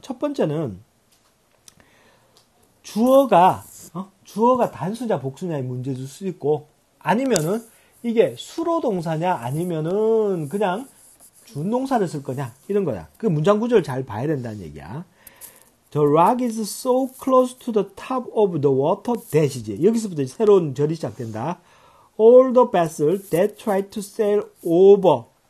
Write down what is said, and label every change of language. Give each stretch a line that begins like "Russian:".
Korean: 첫 번째는 주어가 단수냐 복수냐의 문제일 수 있고, 아니면은 이게 수로 동사냐 아니면은 그냥 준동사를 쓸 거냐, 이런 거야. 그 문장 구조를 잘 봐야 된다는 얘기야.
English: The rock is so close to the top of the water dash이지.
Korean: 여기서부터 이제 새로운 절이 시작된다.
English: All the vessels that try to sail over.